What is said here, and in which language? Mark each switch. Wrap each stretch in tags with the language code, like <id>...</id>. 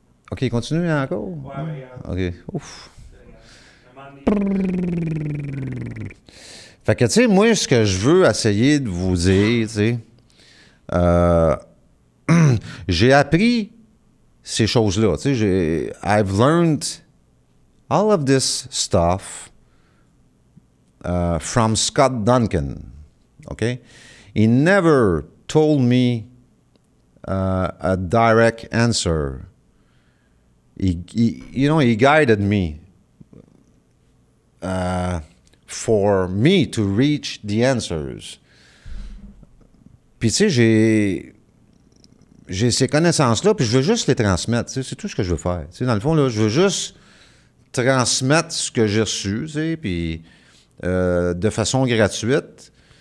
<fr>Ok, continue encore. Ok, ouf. Fait que, tu sais, moi, ce que je veux essayer de vous dire, tu sais, j'ai appris ces choses-là. Tu sais,</fr> <en>I've learned all of this stuff from Scott Duncan. Okay? He never told me a direct answer. He guided me for me to reach the answers.</en> <fr>Puis tu sais, j'ai ces connaissances-là, puis je veux juste les transmettre. C'est tout ce que je veux faire. T'sais, dans le fond, là, je veux juste transmettre ce que j'ai reçu, puis de façon gratuite.</fr>